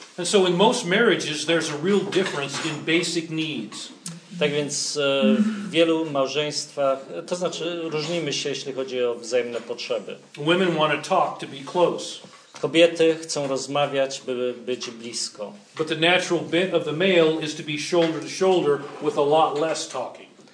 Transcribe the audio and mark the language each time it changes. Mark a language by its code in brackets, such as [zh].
[en] And so in most marriages there's a real difference in basic needs. [pl] Tak więc w wielu małżeństwach, to znaczy różnimy się, jeśli chodzi o wzajemne potrzeby. [en] Women want to talk to be close. [pl] Kobiety chcą rozmawiać, by być blisko. [en] But the natural bent of the male is to be shoulder to shoulder with a lot less talking.